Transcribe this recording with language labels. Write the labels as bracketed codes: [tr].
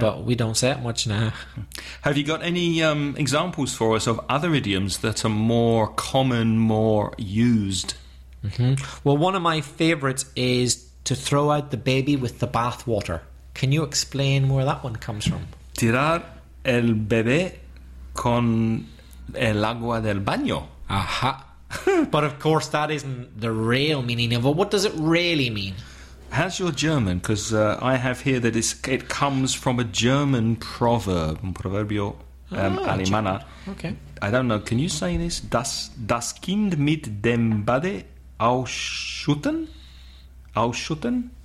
[en] But we don't say it much now. Have you got any examples for us of other idioms that are more common, more used? Mm-hmm. Well, one of my favourites is to throw out the baby with the bathwater. Can you explain where that one comes from? [es] Tirar el bebé con el agua del baño. Aha. [en] But of course, that isn't the real meaning of it. What does it really mean? How's your German? Because I have here that it comes from a German proverb. [es] Proverbio alemana. [en] Okay. I don't know. Can you say this? [de] Das Kind mit dem Bade ausschütten? Ausschütten?